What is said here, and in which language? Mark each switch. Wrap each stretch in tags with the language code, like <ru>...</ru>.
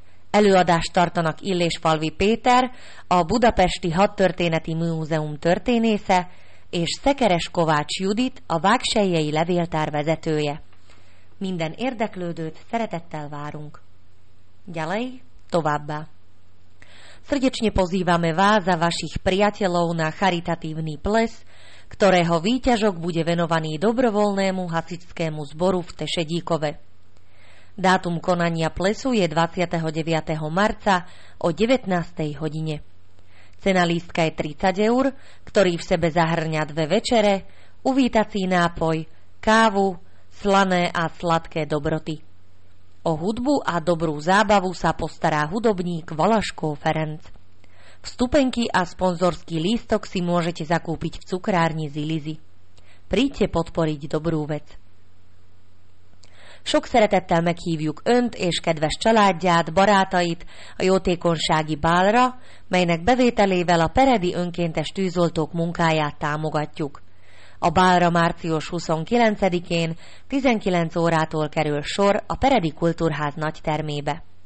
<hu>Előadást tartanak Illés Falvi Péter, a Budapesti Hadtörténeti Múzeum történésze, és Szekeres Kovács Judit, a Vágsellyei Levéltár vezetője. Minden érdeklődőt szeretettel várunk.</hu> <sk>Ďalej,</sk> <hu>továbbá.</hu> <sk>Srdečne pozývame vás a vašich priateľov na charitatívny ples, ktorého výťažok bude venovaný dobrovoľnému hasičskému zboru v Tešedíkove. Dátum konania plesu je 29. marca o 19. hodine. Cena lístka je 30 eur, ktorý v sebe zahrňa dve večere, uvítací nápoj, kávu, slané a sladké dobroty. O hudbu a dobrú zábavu sa postará hudobník Valaško Ferenc. Vstupenky a sponzorský lístok si môžete zakúpiť v cukrárni Zilizi. Príďte podporiť dobrú vec.</sk> <hu>Sok szeretettel meghívjuk Önt és kedves családját, barátait a jótékonysági bálra, melynek bevételével a peredi önkéntes tűzoltók munkáját támogatjuk. A bálra március 29-én 19 órától kerül sor a peredi kultúrház nagy termébe.</hu>